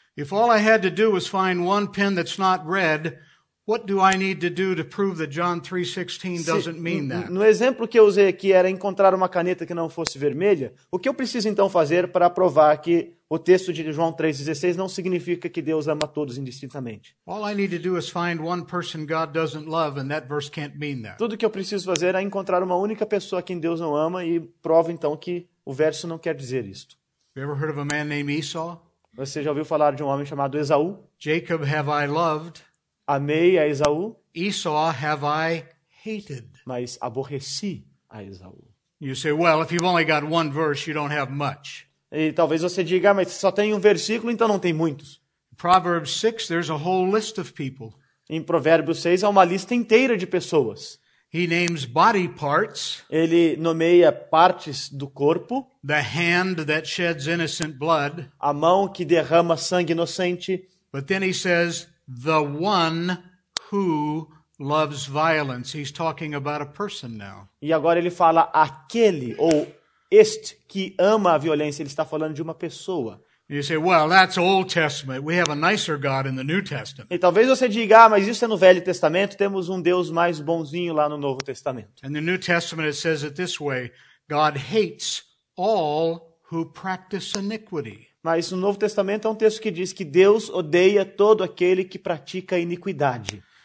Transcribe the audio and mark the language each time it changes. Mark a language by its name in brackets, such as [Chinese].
[English] If all I had to do was find one pen that's not red, what do I need to do to prove that John 3:16 doesn't mean that? [Portuguese] No exemplo que eu usei aqui era encontrar uma caneta que não fosse vermelha, o que eu preciso então fazer para provar que o texto de João 3:16 não significa que Deus ama todos indistintamente? [English] All I need to do is find one person God doesn't love and that verse can't mean that. [Portuguese] Tudo que eu preciso fazer é encontrar uma única pessoa que Deus não ama e provo então que o verso não quer dizer isto. [English] You ever heard of a man named Esau? [Portuguese] Você já ouviu falar de um homem chamado Esaú? [English] Jacob have I loved? [Portuguese] Amei a Esaú. [English] Esau have I hated. [Portuguese] Mas aborreci a Esaú. [English] You say, well, if you've only got one verse, you don't have much. [Portuguese] E talvez você diga, ah, mas só tem um versículo, então não tem muitos. [English] Proverbs 6, there's a whole list of people. [Portuguese] Em Provérbios 6, há uma lista inteira de pessoas. [English] He names body parts. [Portuguese] Ele nomeia partes do corpo. [English] The hand that sheds innocent blood. [Portuguese] A mão que derrama sangue inocente. [English] But then he says, the one who loves violence. He's talking about a person now. [Portuguese] E agora ele fala aquele ou este que ama a violência. Ele está falando de uma pessoa. [English] You say, well, that's Old Testament. We have a nicer God in the New Testament. [Portuguese] E talvez você diga, ah, mas isso é no Velho Testamento. Temos um Deus mais bonzinho lá no Novo Testamento. [English] And the New Testament it says it this way: God hates all who practice iniquity. [Portuguese] Mas no Novo Testamento há um texto que diz que Deus odeia todo aquele que pratica iniquidade.